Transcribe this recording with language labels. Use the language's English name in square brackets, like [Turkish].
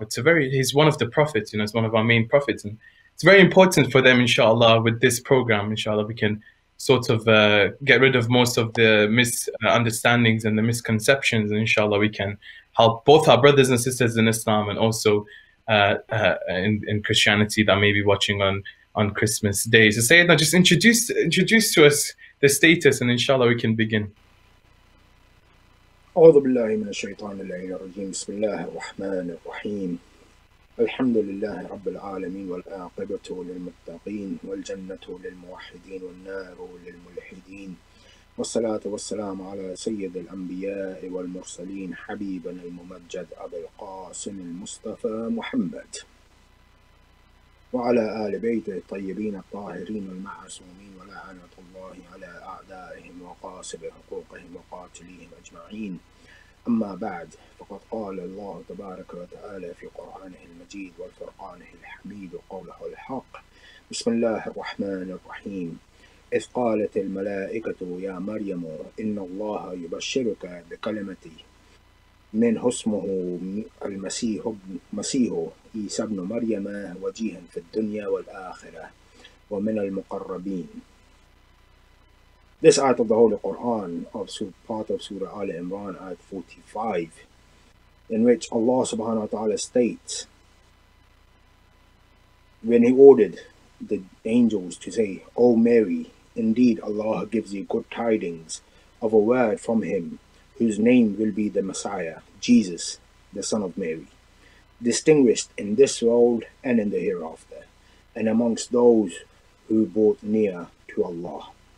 [English] He's one of the prophets, he's one of our main prophets, and it's very important for them, inshallah, with this program, inshallah, we can sort of get rid of most of the misunderstandings and the misconceptions, and inshallah we can help both our brothers and sisters in Islam and also in Christianity that may be watching on Christmas Day. So Sayyidina, just introduce to us the status and inshallah we can begin. [Arabic] أعوذ بالله من الشيطان اللعين الرجيم بسم الله الرحمن الرحيم الحمد لله رب العالمين والعاقبة للمتقين والجنة للموحدين والنار للملحدين والصلاة والسلام على سيد الأنبياء والمرسلين حبيبنا الممجد أبي القاسم المصطفى محمد وعلى آل بيته الطيبين الطاهرين المعصومين ولعنة الله على أعدائهم وقاسي حقوقهم وقاتليهم أجمعين أما بعد فقد قال الله تبارك وتعالى في قرآنه المجيد وفرقانه الحميد قوله الحق بسم الله الرحمن الرحيم إذ قالت الملائكة يا مريم إن الله يبشرك بكلمة منه اسمه المسيح عيسى ابن مريم وجيها في الدنيا والآخرة ومن المقربين. [English] This ayat of the Holy Quran, part of Surah Ali Imran, ayat 45, in which Allah subhanahu wa ta'ala states, when He ordered the angels to say, O Mary, indeed Allah gives you good tidings of a word from Him, whose name will be the Messiah, Jesus, the Son of Mary, distinguished in this world and in the hereafter, and amongst those who brought near to Allah.